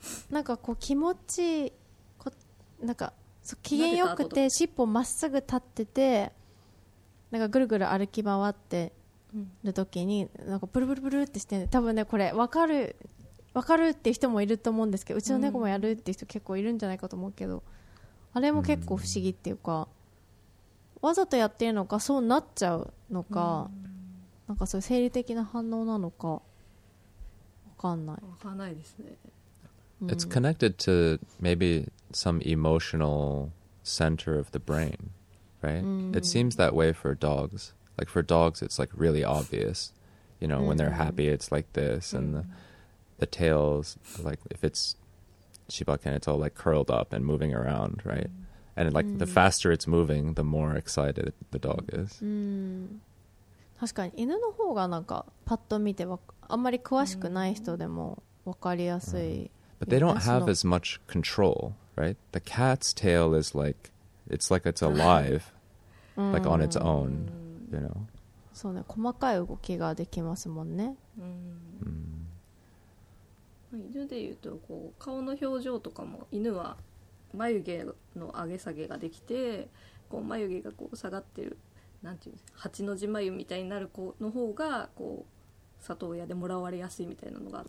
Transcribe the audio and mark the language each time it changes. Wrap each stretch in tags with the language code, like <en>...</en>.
<ja>なんかこう気持ちこなんか機嫌よくて尻尾まっすぐ立っててなんかぐるぐる歩き回ってる時になんかブルブルブルってして、多分ねこれ分かるって人もいると思うんですけど、うちの猫もやるって人結構いるんじゃないかと思うけど、あれも結構不思議っていうか、わざとやってるのかそうなっちゃうのか、なんかそういう生理的な反応なのか分かんないですね。</ja> <en>It's connected to maybe some emotional center of the brain, right? It seems that way for dogs. Like for dogs, it's like really obvious. You know, when they're happy, it's like this, and the tails, like if it's Shibaken, it's all like curled up and moving around, right? And like the faster it's moving, the more excited the dog is.</en> <ja>確かに犬の方がなんかパッと見てわ。あんまり詳しくない人でも分かりやすい。</ja> <en>But they don't have as much control, right? The cat's tail is like, it's like it's alive, like on its own, you know?</en> <ja>そうね、細かい動きができますもんね。犬で言うと、こう、顔の表情とかも、犬は眉毛の上げ下げができて、こう眉毛がこう下がってる、なんていうんですか、八の字眉みたいになる子の方が、こう、里親でもらわれやすいみたいなのがあって、</ja>